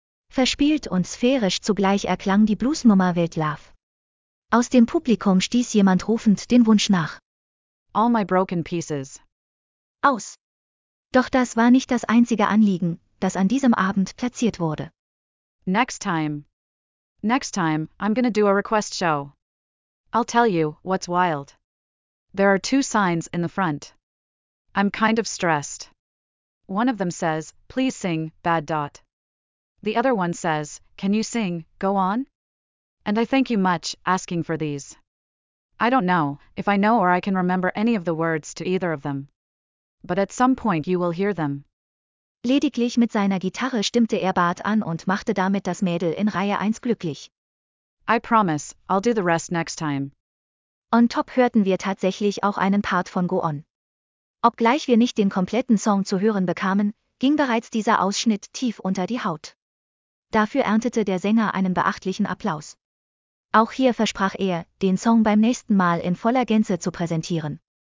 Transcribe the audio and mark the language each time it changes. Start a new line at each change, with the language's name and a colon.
German: Verspielt und sphärisch zugleich erklang die Bluesnummer Wild Love. Aus dem Publikum stieß jemand rufend den Wunsch nach:
English: All my broken pieces.
German: Aus. Doch das war nicht das einzige Anliegen, das an diesem Abend platziert wurde.
English: Next time, I'm gonna do a request show. I'll tell you what's wild. There are two signs in the front. I'm kind of stressed. One of them says, please sing, bad dot. The other one says, can you sing, go on? And I thank you much, asking for these. I don't know if I know or I can remember any of the words to either of them. But at some point you will hear them.
German: Lediglich mit seiner Gitarre stimmte er Bart an und machte damit das Mädel in Reihe 1 glücklich.
English: I promise, I'll do the rest next time.
German: On top hörten wir tatsächlich auch einen Part von Go On. Obgleich wir nicht den kompletten Song zu hören bekamen, ging bereits dieser Ausschnitt tief unter die Haut. Dafür erntete der Sänger einen beachtlichen Applaus. Auch hier versprach er, den Song beim nächsten Mal in voller Gänze zu präsentieren.